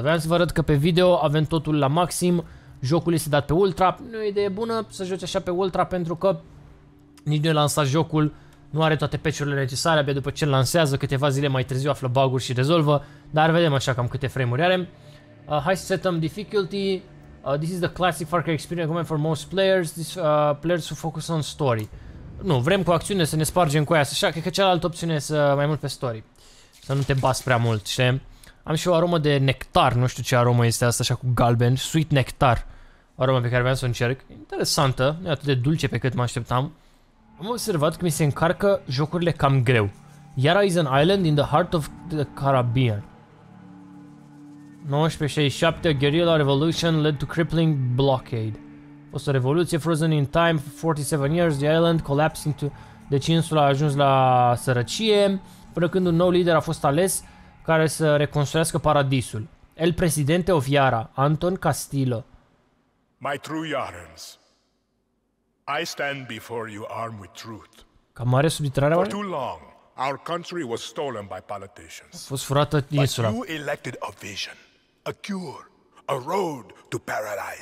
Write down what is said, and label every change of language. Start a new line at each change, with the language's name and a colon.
Romanian: Vreau să vă arăt că pe video avem totul la maxim. Jocul este dat pe ultra. Nu e o idee bună să joci așa pe ultra, pentru că nici nu e lansat jocul. Nu are toate patch-urile necesare, abia după ce îl lansează, câteva zile mai târziu află bug-uri și rezolvă. Dar vedem așa cam câte frame-uri are. Hai să setăm difficulty.
English: This is the classic Far Cry experience for most players, players who focus on story.
Romanian: Nu, vrem cu acțiune să ne spargem cu aia, așa, cred că cealaltă opțiune e să mai mult pe story. Să nu te bați prea mult, știi? Am și o aromă de nectar, nu știu ce aromă este asta, așa cu galben,
English: sweet nectar.
Romanian: O aromă pe care vreau să o încerc. Interesantă, nu e atât de dulce pe cât mă așteptam. Am observat că mi se încarcă jocurile cam greu.
English: Yara is an island in the heart of the Caribbean. 1967, guerrilla revolution led to crippling blockade.
Romanian: A fost o revoluție,
English: frozen in time for 47 years, the island collapsed into...
Romanian: Deci insula a ajuns la sărăcie, până când un nou lider a fost ales care să reconstruiască paradisul.
Spanish: El presidente
English: of Yara, Anton Castillo. My true Yarans, I stand before you armed with truth.
Romanian: Cam mare subitrarea, oare?
English: For too long, our country was stolen by politicians.
Romanian: A fost furată insula.
English: But you elected a vision. A cure, a road to paradise.